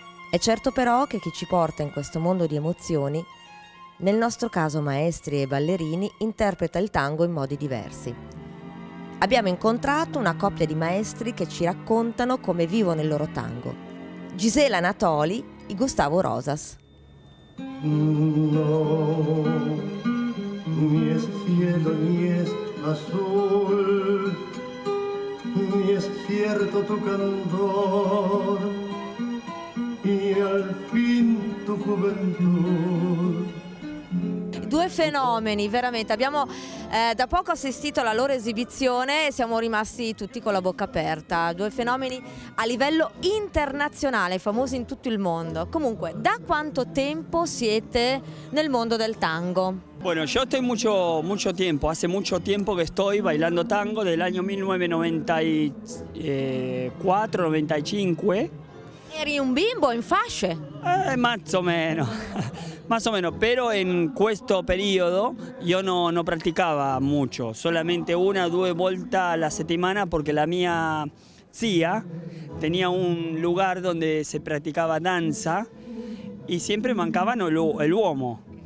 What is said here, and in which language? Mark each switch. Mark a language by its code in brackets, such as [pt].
[it] È certo però che chi ci porta in questo mondo di emozioni, nel nostro caso maestri e ballerini, interpreta il tango in modi diversi. Abbiamo incontrato una coppia di maestri che ci raccontano come vivono il loro tango. Gisela Natoli e Gustavo Rosas. [es] No, ni es cielo ni es azul, ni es cierto tu candor, y al fin tu juventud. [it] Due fenomeni, veramente. Abbiamo da poco assistito alla loro esibizione e siamo rimasti tutti con la bocca aperta. Due fenomeni a livello internazionale, famosi in tutto il mondo. Comunque, da quanto tempo siete nel mondo del tango? [es] Bueno, yo estoy mucho tiempo, hace mucho tiempo que estoy bailando tango, del año 1994-95. [it] Eri un bimbo in fasce? [es] Más o menos. Más o menos, pero en este periodo yo no practicaba mucho, solamente una o dos vueltas a la semana, porque la mía tía tenía un lugar donde se practicaba danza y siempre mancaba el [it] uomo.